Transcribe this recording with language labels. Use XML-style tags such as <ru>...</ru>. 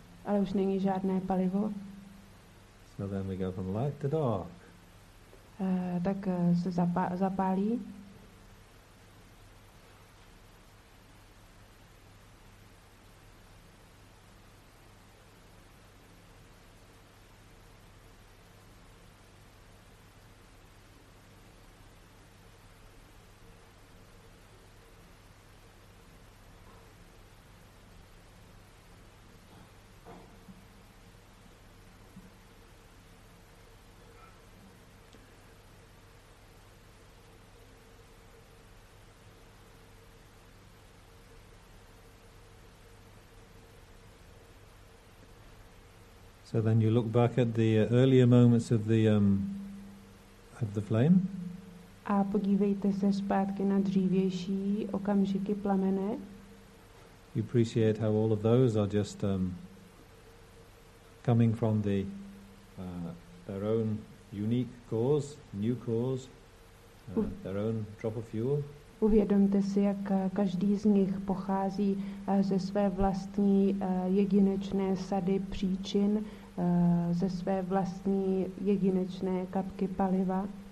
<cs>Ale už není žádné palivo.</cs> <en>So then we go from light to dark.</en> <cs>Tak se zapálí.</cs> <en>So then you look back at the earlier moments of the flame.</en> <cs>A podívejte se zpátky na dřívější okamžiky plamene.</cs> <en>You appreciate how all of those are just coming from the their own unique cause, new cause, their own drop of fuel.</en> <cs>Uvědomte si, jak každý z nich pochází ze své vlastní jedinečné sady příčin. Ze své vlastní jedinečné kapky paliva.</cs>